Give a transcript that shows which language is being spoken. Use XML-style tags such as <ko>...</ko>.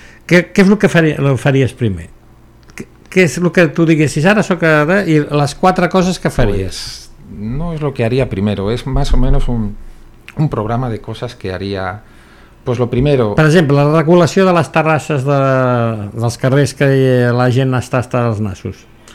<ca>Què és el que faries primer? Què és el que tu diguessis ara, sóc ara, i les quatre coses que faries?</ca> <es>Pues, no es lo que haría primero, es más o menos un programa de cosas que haría. Pues lo primero,</es> <ca>per exemple, la regulació de les terrasses dels carrers, que la gent està hasta els nassos.</ca>